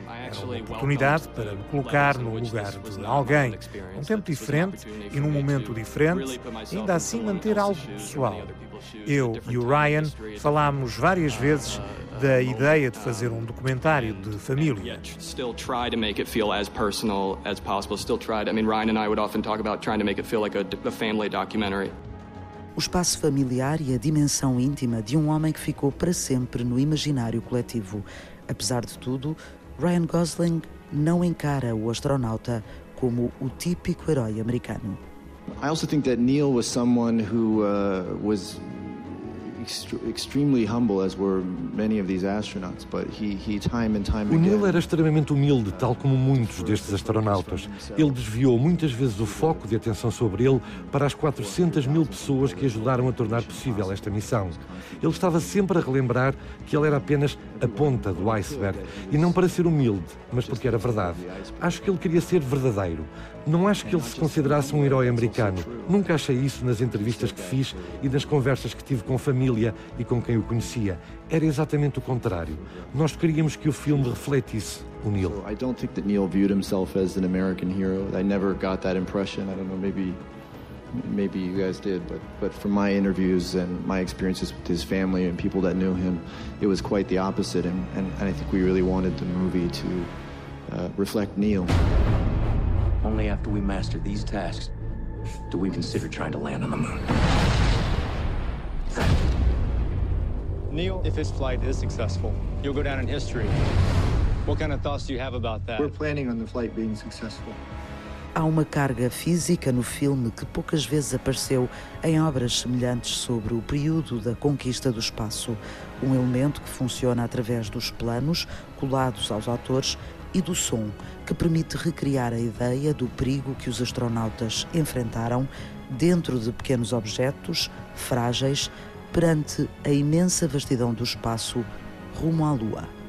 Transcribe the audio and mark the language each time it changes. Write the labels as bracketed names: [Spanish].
[Portuguese] Era uma oportunidade para me colocar no lugar de alguém, num tempo diferente e num momento diferente, ainda assim manter algo pessoal. Eu e o Ryan falámos várias vezes da ideia de fazer um documentário de família. [English] Still try to make it feel as personal as possible. Still tried. I mean, Ryan and I would often talk about trying to make it feel like a family documentary. [Portuguese] O espaço familiar e a dimensão íntima de um homem que ficou para sempre no imaginário coletivo. Apesar de tudo, Ryan Gosling não encara o astronauta como o típico herói americano. [English] I also think that Neil was someone who was extremely humble, as were many of these astronauts, but he time and time again. [Portuguese] O Neil era extremamente humilde, tal como muitos destes astronautas. Ele desviou muitas vezes o foco de atenção sobre ele para as 400 mil pessoas que ajudaram a tornar possível esta missão. Ele estava sempre a relembrar que ele era apenas a ponta do iceberg, e não para ser humilde, mas porque era verdade. Acho que ele queria ser verdadeiro. Não acho que ele se considerasse um herói americano. Nunca achei isso nas entrevistas que fiz e nas conversas que tive com a família e com quem o conhecia. Era exatamente o contrário. Nós queríamos que o filme refletisse o Neil. [English] I don't think that Neil viewed himself as an American hero. I never got that impression. I don't know, maybe you guys did, but from my interviews and my experiences with his family and people that knew him, it was quite the opposite, and I think we really wanted the movie to reflect Neil. Only after we master these tasks do we consider trying to land on the moon. Neil, if his flight is successful, you'll go down in history. What kind of thoughts do you have about that? We're planning on the flight being successful. [Portuguese] Há uma carga física no filme que poucas vezes apareceu em obras semelhantes sobre o período da conquista do espaço. Um elemento que funciona através dos planos colados aos atores e do som, que permite recriar a ideia do perigo que os astronautas enfrentaram dentro de pequenos objetos, frágeis, perante a imensa vastidão do espaço rumo à Lua.